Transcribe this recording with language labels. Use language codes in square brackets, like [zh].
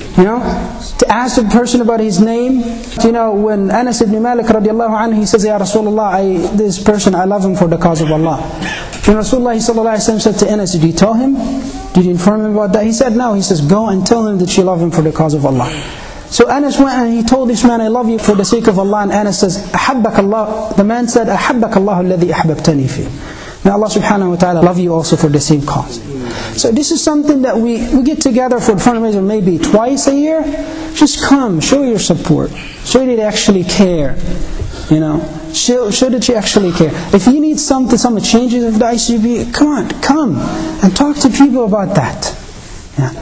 [en] You know, to ask the person about his name. You know, when Anas ibn Malik radiallahu anhu, he says, Ya Rasulullah, this person, I love him for the cause of Allah. And Rasulullah sallallahu alayhi wa sallam said to Anas, did you tell him? Did you inform him about that? He said, no. He says, go and tell him that you love him for the cause of Allah. So Anas went and he told this man, I love you for the sake of Allah. And Anas says, [ar] أحبك الله. The man said, أحبك الله الذي أحببتني في. [en] May Allah subhanahu wa ta'ala love you also for the same cause. So this is something that we get together for the fundraiser maybe twice a year. Just come, show your support. Show that you actually care. You know, show that you actually care. If you need something, some changes of the ICB, come on, come and talk to people about that. Yeah.